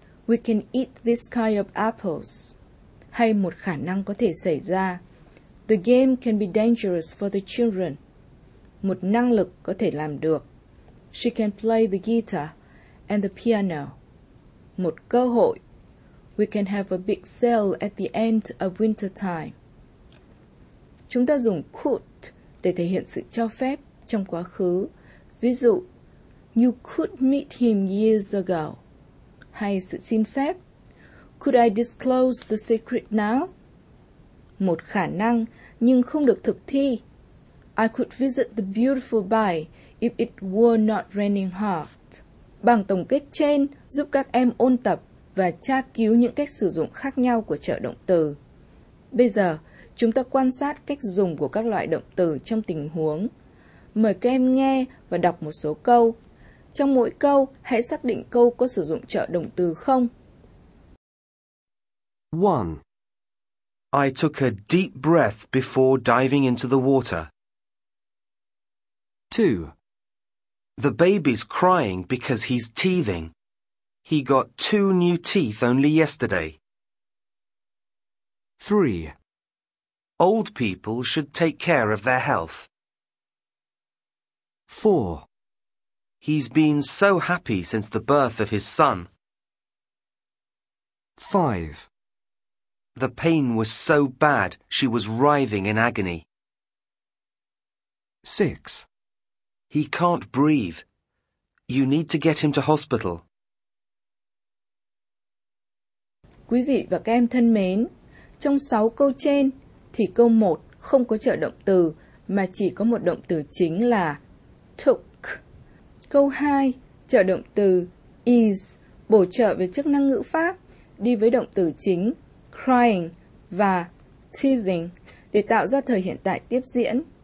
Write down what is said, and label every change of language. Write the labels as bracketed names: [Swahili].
[English] We can eat this kind of apples. [Vietnamese] Hay một khả năng có thể xảy ra. [English] The game can be dangerous for the children. [Vietnamese] Một năng lực có thể làm được. [English] She can play the guitar and the piano. [Vietnamese] Một cơ hội. [English] We can have a big sale at the end of winter time. [Vietnamese] Chúng ta dùng could để thể hiện sự cho phép trong quá khứ. Ví dụ, [English] you could meet him years ago. [Vietnamese] Hay sự xin phép. [English] Could I disclose the secret now? [Vietnamese] Một khả năng nhưng không được thực thi. [English] I could visit the beautiful bay if it were not raining hard. [Vietnamese] Bảng tổng kết trên giúp các em ôn tập và tra cứu những cách sử dụng khác nhau của trợ động từ. Bây giờ, chúng ta quan sát cách dùng của các loại động từ trong tình huống. Mời các em nghe và đọc một số câu. Trong mỗi câu, hãy xác định câu có sử dụng trợ động từ không. 1. [English] I took a deep breath before diving into the water. 2. The baby's crying because he's teething. He got 2 new teeth only yesterday. 3. Old people should take care of their health. 4. He's been so happy since the birth of his son. 5. The pain was so bad, she was writhing in agony. 6. He can't breathe. You need to get him to hospital. [Vietnamese] Quý vị và các em thân mến, trong 6 câu trên thì câu 1 không có trợ động từ mà chỉ có một động từ chính là took. Câu 2 trợ động từ is bổ trợ về chức năng ngữ pháp đi với động từ chính crying và teething để tạo ra thời hiện tại tiếp diễn.